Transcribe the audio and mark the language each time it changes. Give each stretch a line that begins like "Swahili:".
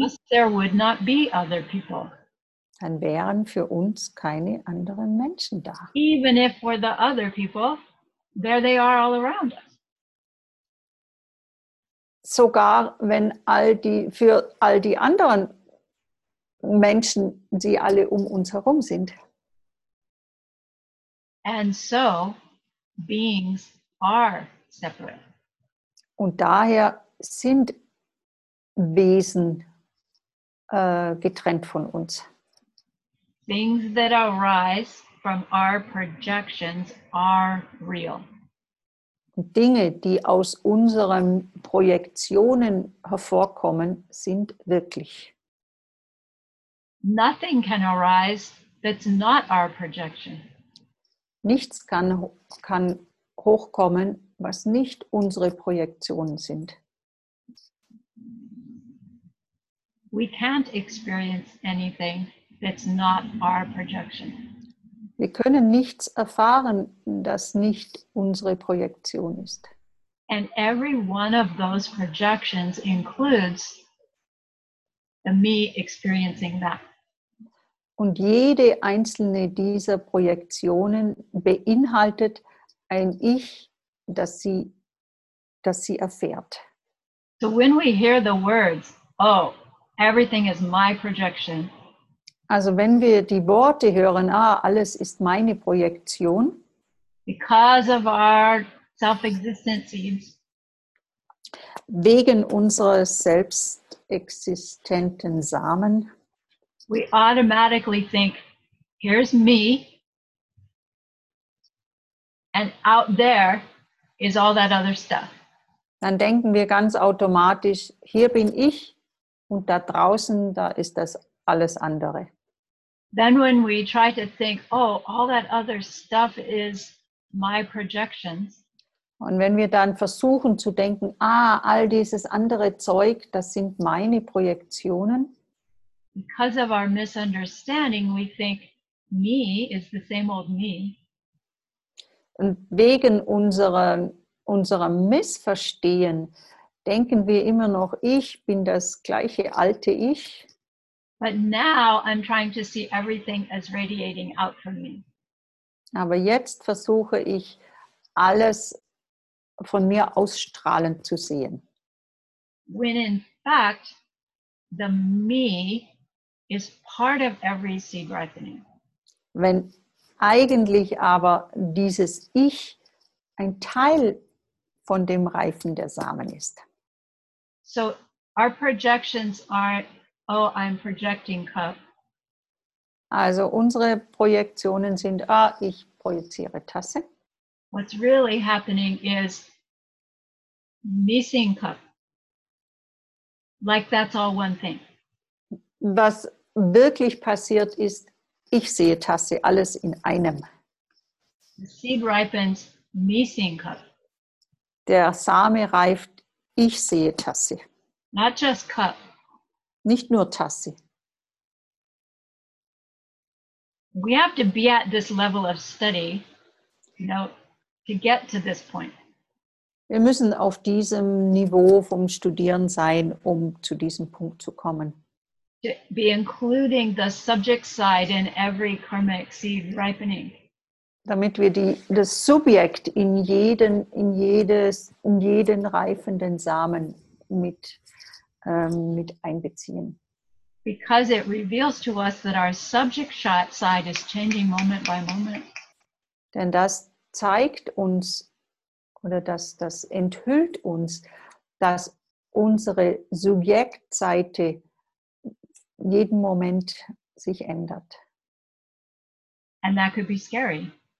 English: for us, there would not be other people.
German: Dann wären für uns keine anderen Menschen da.
English: Even if for the other people, there they are all around us.
German: Sogar wenn für all die anderen Menschen, sie alle um uns herum sind.
English: And so, beings are separate.
German: Und daher sind Wesen getrennt von uns.
English: Things that arise from our projections are real.
German: Dinge, die aus unseren Projektionen hervorkommen, sind wirklich.
English: Nothing can arise that's not our projection.
German: Nichts kann hochkommen, was nicht unsere Projektionen sind.
English: We can't experience anything that's not our projection.
German: Wir können nichts erfahren, das nicht unsere Projektion ist.
English: And every one of those projections includes the me experiencing that.
German: Und jede einzelne dieser Projektionen beinhaltet ein Ich, das sie erfährt.
English: So when we hear the words, oh, everything is my projection.
German: Also wenn wir die Worte hören, ah, alles ist meine Projektion.
English: Because of our self-existencies.
German: Wegen unseres selbstexistenten Samen.
English: We automatically think, here's me, and out there is all that other stuff.
German: Dann denken wir ganz automatisch, hier bin ich, und da draußen, da ist das alles andere.
English: Then when we try to think, oh, all that other stuff is my projections.
German: Und wenn wir dann versuchen zu denken, ah, all dieses andere Zeug, das sind meine Projektionen.
English: Because of our misunderstanding, we think me is the same old me.
German: Und wegen unserem Missverstehen denken wir immer noch, ich bin das gleiche alte Ich.
English: But now I'm trying to see everything as radiating out from me.
German: Aber jetzt versuche ich, alles von mir ausstrahlend zu sehen.
English: When in fact, the me is part of every seed ripening.
German: Wenn eigentlich aber dieses Ich ein Teil von dem Reifen der Samen ist.
English: So our projections are, oh, I'm projecting cup.
German: Also unsere Projektionen sind, ah, ich projiziere Tasse.
English: What's really happening is missing cup. Like that's all one thing.
German: Was wirklich passiert ist, ich sehe Tasse, alles in einem.
English: The seed ripens, me seeing cup.
German: Der Same reift, ich sehe Tasse.
English: Not just cup.
German: Nicht nur Tasse.
English: We have to be at this level of study, you know, to get to this point.
German: Wir müssen auf diesem Niveau vom Studieren sein, um zu diesem Punkt zu kommen.
English: To be including the subject side in every karmic seed ripening.
German: Damit wir das Subjekt in jeden reifenden Samen mit einbeziehen.
English: Because it reveals to us that our subject side is changing moment by moment.
German: Denn das zeigt uns, oder das enthüllt uns, dass unsere Subjektseite jeden Moment sich ändert.
English: And that could be scary.